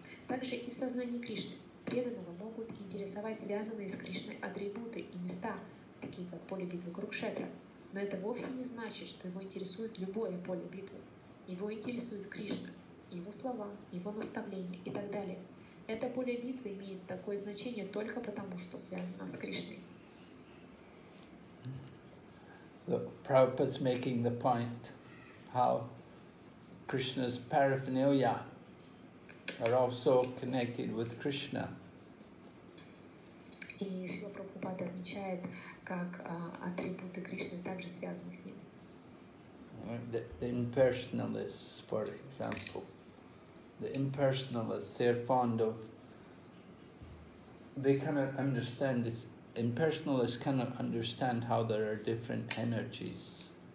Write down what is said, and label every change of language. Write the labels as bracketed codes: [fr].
[ru] Также и в сознании Кришны преданного могут интересовать связанные с Кришной атрибуты и места, такие как поле битвы Курукшетра. Но это вовсе не значит, что его интересует любое поле битвы. Его интересует Кришна, его слова, его наставления и так далее. Это поле битвы имеет такое значение только потому, что связано с Кришной. [en] The Prabhupada's making the point how Krishna's paraphernalia are also connected with Krishna. [ru] И Шрила Прабхупада отмечает, как атрибуты Кришны также связаны с ним. [en] The impersonalists, for example. The impersonalists, they're fond of, they cannot understand this. Impersonalists cannot understand how there are different energies.